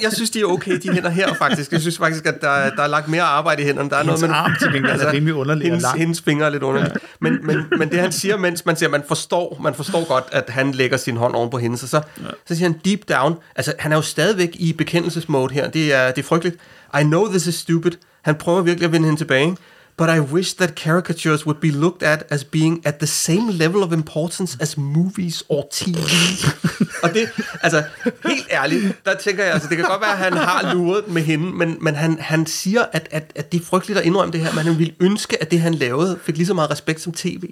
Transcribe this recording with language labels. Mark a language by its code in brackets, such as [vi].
[da] Jeg synes, de er okay, de hænder her, faktisk. Jeg synes faktisk, at der er lagt mere arbejde i hænderne. Der er hendes arm til fingre, altså, er rimelig underlig. Hendes fingre er lidt underlig. Ja. Men det, han siger, mens man siger, man forstår godt, at han lægger sin hånd oven på hende, så siger han [en] deep down... [da] Altså, han er jo stadigvæk i bekendelsesmode her. Det er frygteligt. [en] I know this is stupid. [da] Han prøver virkelig at vinde hende tilbage, ikke? [en] But I wish that caricatures would be looked at as being at the same level of importance as movies or TV. [da] Og det, altså, helt ærligt, der tænker jeg, altså, det kan godt være, at han har luret med hende, men han siger, at det er frygteligt at indrømme det her, men han ville ønske, at det, han lavede, fik lige så meget respekt som TV.